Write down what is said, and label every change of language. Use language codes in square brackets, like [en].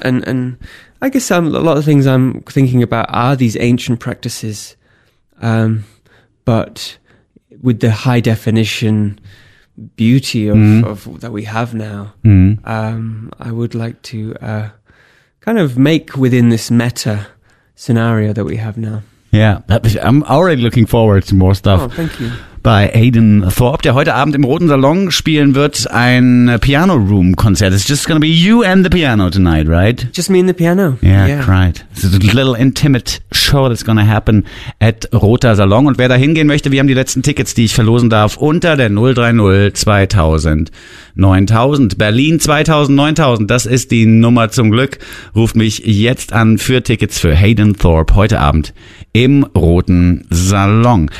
[en] And I guess a lot of things I'm thinking about are these ancient practices, but with the high definition beauty of that we have now, I would like to kind of make within this meta scenario that we have now. Yeah, I'm already looking forward to more stuff. Oh, thank you. [de] Bei Hayden Thorpe, der heute Abend im Roten Salon spielen wird, ein Piano Room Konzert. [en] It's just going to be you and the piano tonight, right? Just me and the piano. Yeah, right. It's a little intimate show that's going to happen at Roter Salon. [de] Und wer da hingehen möchte, wir haben die letzten Tickets, die ich verlosen darf, unter der 030-2000-9000. Berlin 2000-9000, das ist die Nummer zum Glück. Ruft mich jetzt an für Tickets für Hayden Thorpe heute Abend im Roten Salon.